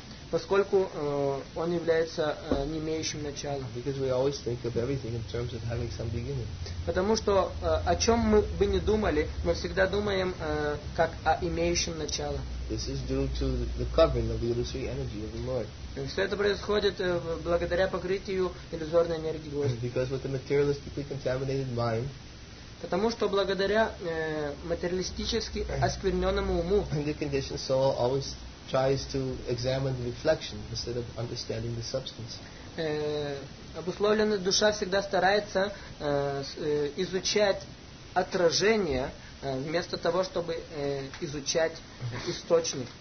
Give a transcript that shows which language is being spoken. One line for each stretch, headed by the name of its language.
Russian: Поскольку он является не имеющим начала.
English: Because we always think of everything in terms of having some beginning.
Russian: Потому что о чем мы бы не думали, мы всегда думаем как о имеющем начало.
English: This is due to the covering of the illusory energy of the Lord.
Russian: Все это происходит благодаря покрытию иллюзорной энергии Господа.
English: Because with the materialistically contaminated mind.
Russian: Потому что благодаря материалистически оскверненному уму.
English: And the conditioned soul always tries to examine the reflection instead of understanding the substance.
Russian: Обусловленная душа всегда старается изучать отражение вместо того, чтобы изучать источник.